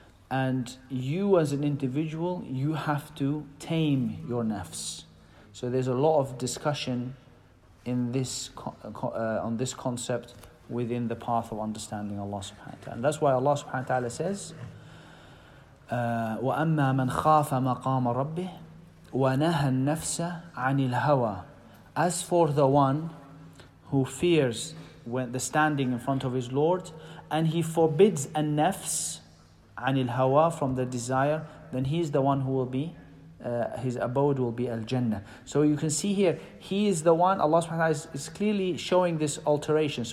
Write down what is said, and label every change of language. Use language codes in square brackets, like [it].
[en] And you as an individual, you have to tame your nafs. So there's a lot of discussion in this on this concept within the path of understanding Allah subhanahu wa ta'ala. And that's why Allah subhanahu wa ta'ala says, [ar] وَأَمَّا مَنْ خَافَ مَقَامَ رَبِّهِ وَنَهَى النَّفْسَ عَنِ الْهَوَى. [en] As for the one who fears when the standing in front of his Lord, and he forbids a nafs, [ar] anil hawa, [en] from the desire, then he is the one who will be, his abode will be al-Jannah. So you can see here, he is the one, Allah subhanahu wa ta'ala is clearly showing this alteration.